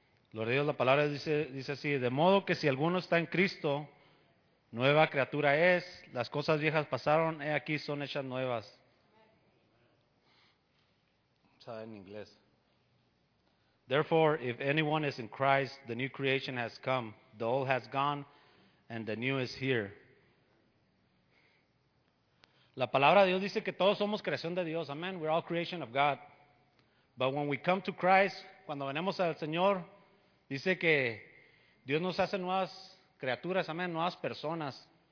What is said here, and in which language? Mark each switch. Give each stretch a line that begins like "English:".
Spanish: Gloria a Dios, la palabra dice así: de modo que si alguno está en Cristo, nueva criatura es, las cosas viejas pasaron, he aquí son hechas nuevas. Sabe en inglés.
English: Therefore, if anyone is in Christ, the new creation has come, the old has gone, and the new is here.
Spanish: La palabra de Dios dice que todos somos creación de Dios.
English: Amen. We're all creation of God. But when we come to Christ,
Spanish: cuando venimos al Señor, dice que Dios nos hace nuevas criaturas. Amen. Nuevas personas.